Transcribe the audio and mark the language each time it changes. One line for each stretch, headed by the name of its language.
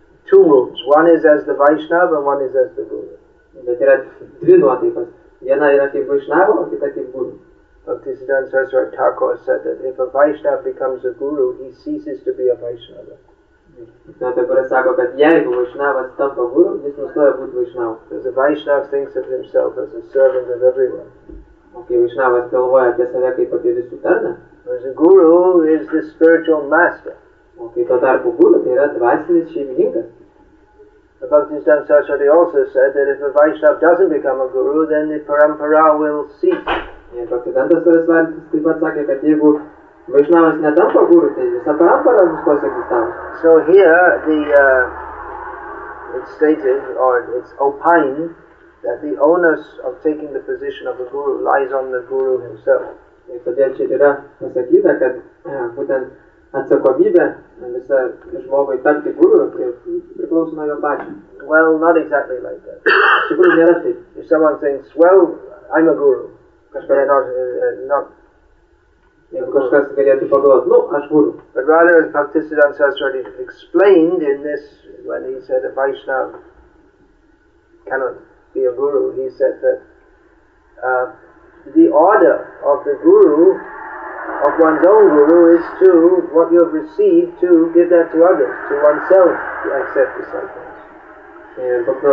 English: Two moods. One is as the Vaishnava and one is as the Guru.
Lithuanian: Bet yra dvi nuotaikos. Viena yra kaip Vaishnava, o kita kaip Guru.
English: Bhaktisiddhanta Saraswati Thakur said that if a Vaishnava becomes a Guru, he ceases to be a Vaishnava.
Lithuanian: Na, dabar sako, kad jeigu Vaishnavas tampa Guru, jis nustoja būti Vaishnava.
English: Because a Vaishnava thinks of himself as a servant of everyone.
Lithuanian: O kai Vaišnavas galvoja apie save kaip apie visų tarną.
English: The guru is the spiritual master.
Lithuanian: O kai tuo tarpu guru, tai yra dvasinis šeimininkas.
English: The Bhaktisiddhanta Saraswati also said that if a Vaishnava doesn't become a guru, then the parampara will cease.
Lithuanian: Ir Bhaktisiddhanta Saraswati taip pat sakė, kad jeigu Vaishnavas netampa guru, tai visa parampara nustos egzistavo.
English: So here the it's stated, or it's opined, that the onus of taking the position of a guru lies on the guru himself.
Lithuanian: Ir todėl čia yra pasakyta, kad būtent atsakomybė visą žmogui tapti guru priklauso nuo jo pačio.
English: Well, not exactly like that.
Lithuanian: Iš tikrųjų nėra taip.
English: If someone thinks, well, I'm a guru.
Lithuanian: Kažkas
English: not.
Lithuanian: Jeigu kažkas galėtų pagalvoti, nu, aš guru.
English: But rather, as Bhaktisiddhanta Saraswati explained in this, when he said a Vaishnav cannot be a guru, he said that the order of the guru, of one's own guru, is to what you have received to give that to others, to oneself to accept the disciples.